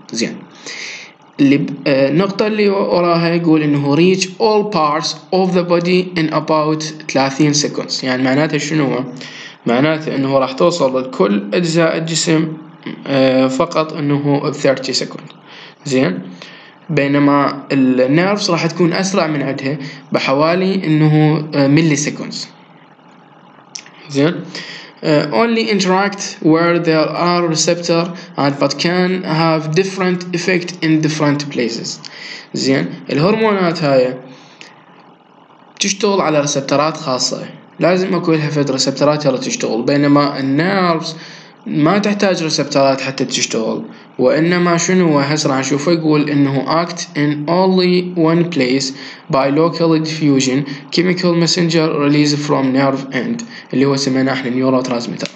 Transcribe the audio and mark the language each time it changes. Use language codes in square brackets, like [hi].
[ar] زين النقطة اللي وراها يقول انه [en] reach all parts of the body in about 30 seconds، [ar] يعني معناته شنو؟ معناته انه راح توصل لكل اجزاء الجسم فقط انه 30 second. زين، بينما النيرفز راح تكون اسرع من عندها بحوالي انه ملي سكوندز. زين، [en] only interact where there are receptor and but can have different effect in different places. [ar] زين، الهرمونات هاي تشتغل على ريسبترات خاصة، لازم اكو لها فد ريسبترات يلا تشتغل، بينما النيرفز ما تحتاج ريسبترات حتى تشتغل، وانما شنو هو هسه راح نشوفه يقول انه [en] act in only one place by local diffusion chemical messenger released from nerve end، [ar] اللي هو سميناه احنا نيورو ترانسميتر.